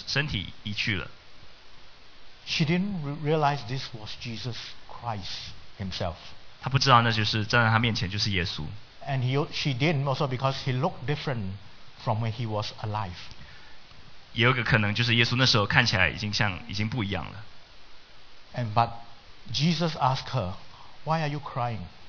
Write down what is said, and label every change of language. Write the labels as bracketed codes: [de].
[zh] 玛利亚她想到，直接的想到是这个看园子人，因为耶稣不属于这个园子的主人，所以她把这个身体移去了。 [en] She didn't realize this was Jesus Christ himself. [zh] 她不知道那就是站在她面前就是耶稣。 [en] And she didn't also because he looked different from when he was alive. [zh] 也有个可能就是耶稣那时候看起来已经不一样了。 [en] And but Jesus asked her, "Why are you crying?"